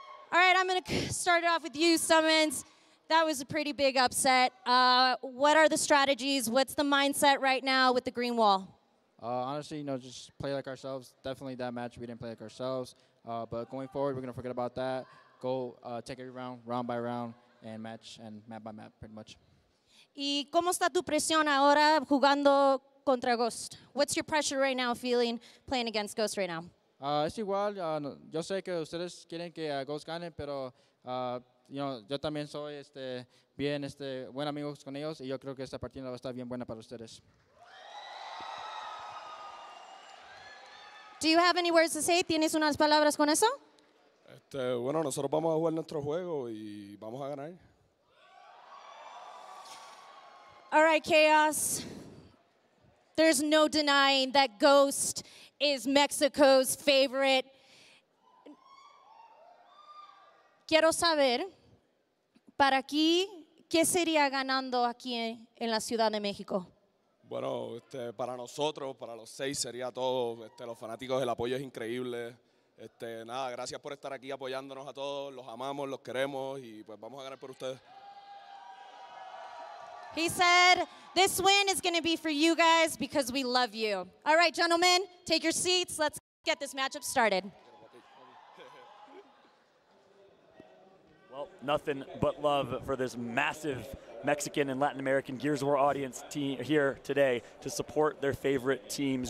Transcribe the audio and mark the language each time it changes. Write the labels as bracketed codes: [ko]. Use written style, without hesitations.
[en] All right, I'm going to start it off with you, Summons. That was a pretty big upset. What are the strategies? What's the mindset right now with the green wall? Honestly, you know, just play like ourselves. Definitely that match, we didn't play like ourselves. But going forward, we're going to forget about that. Go take every round, round by round, and match and map by map, pretty much. [es] ¿Y cómo está tu presión ahora jugando contra Ghost? [en] What's your pressure right now feeling playing against Ghost right now? [es] Es igual. Yo sé que ustedes quieren que Ghost gane, pero [en] you know, [es] yo también soy bien buen amigo con ellos, y yo creo que esta partida va a estar bien buena para ustedes. [en] Do you have any words to say? [es] ¿Tienes unas palabras con eso? Bueno, nosotros vamos a jugar nuestro juego y vamos a ganar. [en] All right, Chaos. There's no denying that Ghost is Mexico's favorite. [es] Quiero saber, para aquí, ¿qué sería ganando aquí en la Ciudad de México? Bueno, para nosotros, para los seis, sería todo. Los fanáticos, el apoyo es increíble. Nada, gracias por estar aquí apoyándonos a todos. Los amamos, los queremos, y pues vamos a ganar por ustedes. [en] He said, this win is going to be for you guys because we love you. All right, gentlemen, take your seats. Let's get this matchup started. Well, nothing but love for this massive Mexican and Latin American Gears of War audience team here today to support their favorite teams.